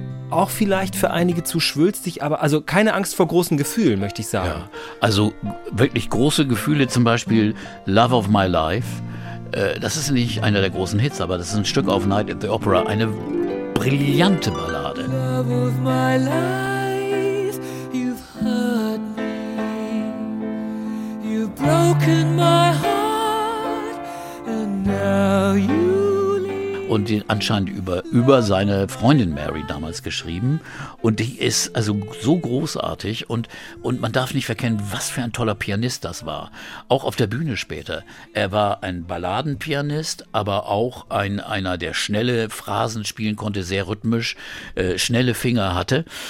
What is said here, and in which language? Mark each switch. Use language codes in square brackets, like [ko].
[de] Auch vielleicht für einige zu schwülstig, aber also keine Angst vor großen Gefühlen, möchte ich sagen. Ja. Also wirklich große Gefühle, zum Beispiel Love of My Life. Das ist nicht einer der großen Hits, aber das ist ein Stück auf Night at the Opera, eine brillante Ballade. [en] Love of my life, you've hurt me, you've broken my heart, and now you leave. [de] Und die anscheinend über seine Freundin Mary damals geschrieben. Und die ist also so großartig und man darf nicht verkennen, was für ein toller Pianist das war. Auch auf der Bühne später. Er war ein Balladenpianist, aber auch einer, der schnelle Phrasen spielen konnte, sehr rhythmisch, schnelle Finger hatte.